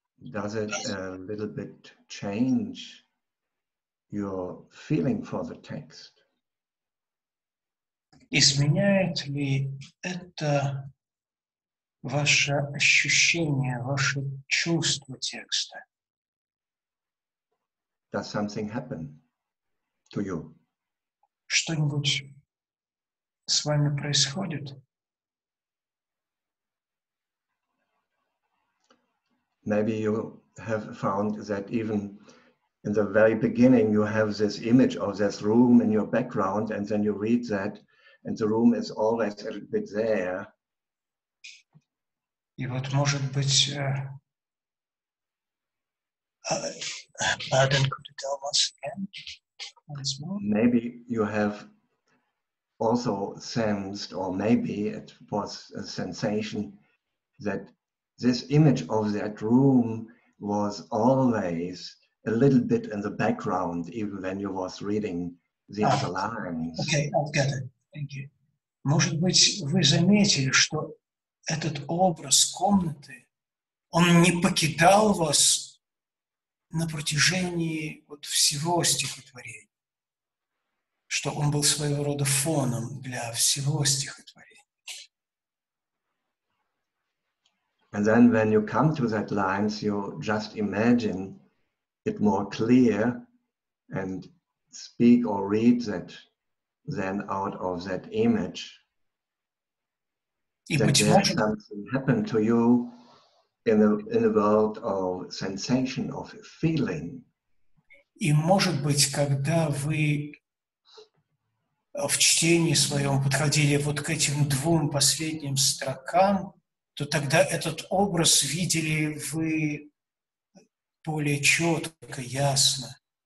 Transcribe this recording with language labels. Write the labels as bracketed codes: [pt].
[en] Does it a little bit change your feeling for the text? [ru] Изменяет ли это ваше ощущение, ваше чувство текста? [en] Does something happen to you? [ru] Что-нибудь с вами происходит? [en] Maybe you have found that even in the very beginning you have this image of this room in your background, and then you read that and the room is always a little bit there. [ru] И вот, может быть, [en] Baden, could you tell us again? Maybe you have also sensed, or maybe it was a sensation, that this image of that room was always a little bit in the background, even when you was reading the other lines. Okay, I've got it. Thank you. [ru] Может быть, вы заметили, что этот образ комнаты, он не покидал вас на протяжении вот всего стихотворения, что он был своего рода фоном для всего стихотворения. [en] And then when you come to that lines, you just imagine it more clear and speak or read that then out of that image. Something happened to you in the world of sensation, of feeling. [ru] И может быть, когда вы в чтении своем подходили вот к этим двум последним строкам, то тогда этот образ видели вы более четко, ясно.